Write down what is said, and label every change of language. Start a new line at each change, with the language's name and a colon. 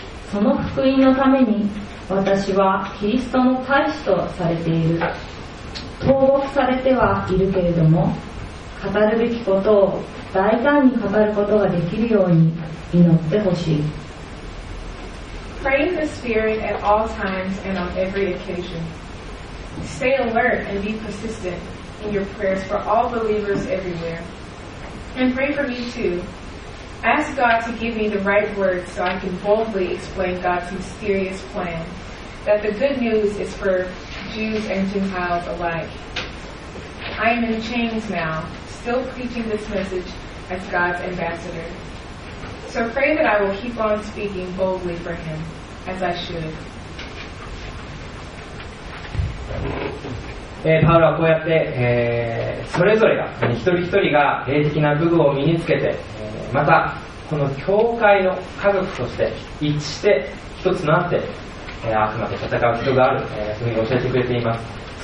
Japanese: その福音のために私はキリストの大使とされている。投獄されてはいるけれども、語るべきことを大胆に語ることができるように祈ってほしい。
English: Pray in the Spirit at all times and on every occasion. Stay alert and be persistent in your prayers for all believers everywhere. And pray for me too. Ask God to give me the right words so I can boldly explain God's mysterious plan, that the good news is for Jews and Gentiles alike. I am in chains now, still preaching this message as God's ambassador. So pray that I will keep on speaking boldly for him, as I should.
Japanese: パウロはこうやって、それぞれが一人一人が霊的な武具を身につけて、またこの教会の家族として一致して一つになって、悪魔と戦う人がある、そういうふうに教えてくれています。